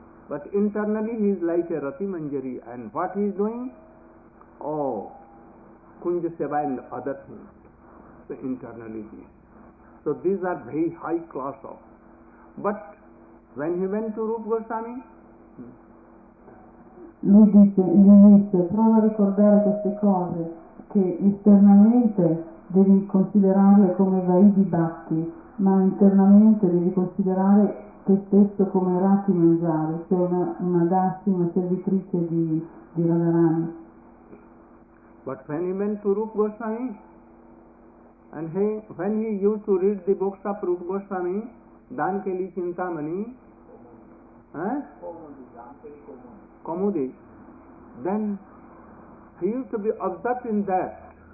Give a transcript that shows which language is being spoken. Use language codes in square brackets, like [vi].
[en] But internally he is like a Rati Manjari, and what he is doing? Oh, Kunja Seva and other things. So internally he is. So these are very high class of. But when he went to Rupa Goswami, [it] lui dice, gli dice, prova a ricordare queste cose, che esternamente devi considerarle come Vaidhi Bhakti, ma internamente devi considerare te stesso come Rati Manjari, cioè una dasi, una servitrice di Radharani. [en] But when he went to Rupa Goswami, and he, when he used to read the books of Rupa Goswami, Dankeli Chintamani, Kamudi, then he used to be absorbed in that.